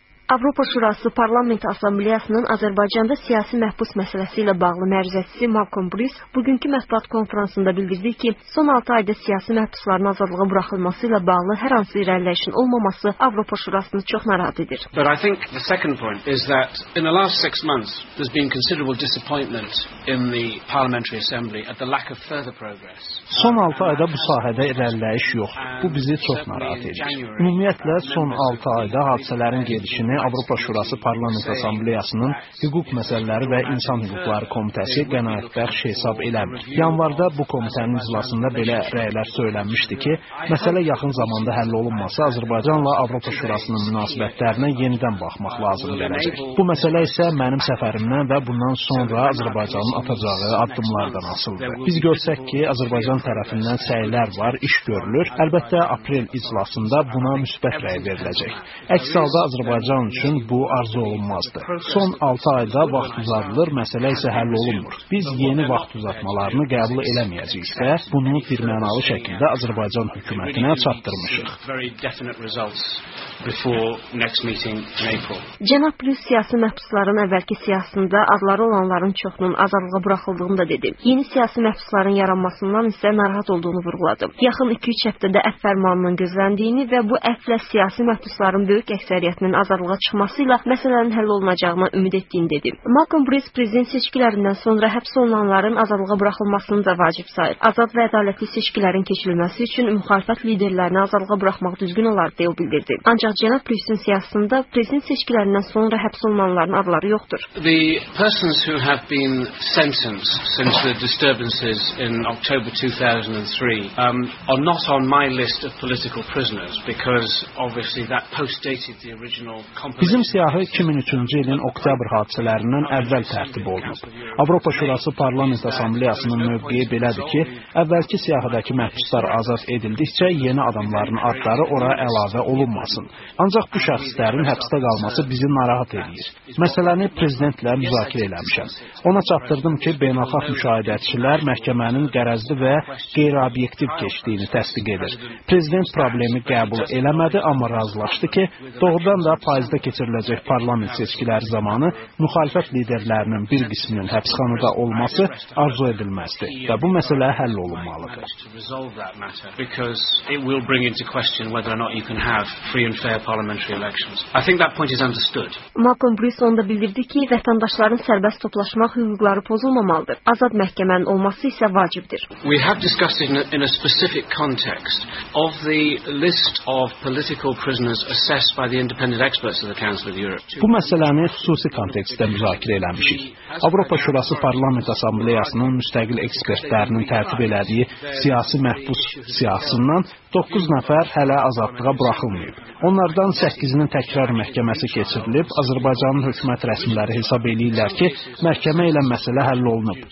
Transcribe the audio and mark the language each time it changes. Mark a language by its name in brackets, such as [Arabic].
[Azerbaijani] Avropa Şurası Parlament Assambleyasının Azərbaycanda siyasi məhbus məsələsi ilə bağlı məruzəçisi Malcolm Bruce bugünkü mətbuat konfransında bildirdi ki, son 6 ayda siyasi məhbusların azadlığa buraxılması ilə bağlı hər hansı irəliləyişin olmaması Avropa Şurasını çox narahat edir. [English] But I think the second point is that in the last 6 months there's been considerable disappointment in the Parliamentary Assembly at the lack of further progress. [Azerbaijani] Son 6 ayda bu sahədə irəliləyiş yoxdur. Bu bizi çox narahat edir. Ümumiyyətlə son 6 ayda hadisələrin gedişini Avropa Şurası Parlament Assambleyasının Hüquq Məsələləri və İnsan Hüquqları Komitəsi qənaətbəxş hesab eləmir. Yanvarda bu komitənin iclasında belə rəylər söylənmişdi ki, məsələ yaxın zamanda həll olunmasa Azərbaycanla Avropa Şurasının münasibətlərinə yenidən baxmaq lazım gələcək. Bu məsələ isə mənim səfərimdən və bundan sonra Azərbaycanın atacağı addımlardan asılıdır. Biz görsək ki, Azərbaycan tərəfindən səylər var, iş görülür. Əlbəttə, aprel iclasında buna müsbət rəy veriləcək. Əks halda Azərbaycan üçün bu arzu olunmazdı. Son 6 ayda vaxt uzadılır, məsələ isə həll olunmur. Biz yeni vaxt uzatmalarını qəbul eləməyəcəksə, bunu bir mənalı şəkildə Azərbaycan hökumətinə çatdırmışıq. Cənab Plus siyasi məhbusların əvvəlki siyasında adları olanların çoxunun azadlığa buraxıldığını da dedi. Yeni siyasi məhbusların yaranmasından isə narahat olduğunu vurguladı. Yaxın 2-3 həftədə əf fərmanının gözləndiyini və bu əflə siyasi məhbusların böyük əksəriyyətinin azadlığa çıxması ilə məsələnin həll olunacağına ümid etdiyini dedi. Malcolm Bruce prezident seçkilərindən sonra həbs olunanların azadlığa buraxılmasını da vacib sayır. Azad və ədalətli seçkilərin keçirilməsi üçün müxalifət liderlərini azadlığa buraxmaq düzgün olar deyə bildirdi. Ancaq cənab Bruce-un siyasında prezident seçkilərindən sonra həbs olunanların adları yoxdur. [English] The persons who have been sentenced since the disturbances in October 2003 are not on my list of political prisoners because obviously that postdated the original. [Azerbaijani] Bizim siyahı 2003-cü ilin oktyabr hadisələrindən əvvəl tərtib olunub. Avropa Şurası Parlament Assambleyasının mövqeyi belədir ki, əvvəlki siyahıdakı məhbuslar azad edildikcə yeni adamların adları ora əlavə olunmasın. Ancaq bu şəxslərin həbsdə qalması bizi narahat edir. Məsələni prezidentlə müzakirə eləmişəm. Ona çatdırdım ki, beynəlxalq müşahidəçilər məhkəmənin qərəzli və qeyri-obyektiv keçdiyini təsdiq edir. Prezident problemi qəbul eləmədi, amma razılaşdı ki, doğrudan da payızda keçiriləcək parlament seçkiləri zamanı müxalifət liderlərinin bir qisminin həbsxanada olması arzu edilməzdir və bu məsələ həll olunmalıdır. Malcolm Bruce onda bildirdi ki, vətəndaşların sərbəst toplaşmaq hüquqları pozulmamalıdır. Azad məhkəmənin olması isə vacibdir. [English] We have discussed in a specific context of the list of political prisoners assessed by the independent. [Azerbaijani] Bu məsələni xüsusi kontekstdə müzakirə eləmişik. Avropa Şurası Parlament Assambleyasının müstəqil ekspertlərinin tərtib elədiyi siyasi məhbus siyasından 9 nəfər hələ azadlığa buraxılmayıb. Onlardan 8-inin təkrar məhkəməsi keçirilib, Azərbaycanın hökumət rəsmiləri hesab edirlər ki, məhkəmə ilə məsələ həll olunub.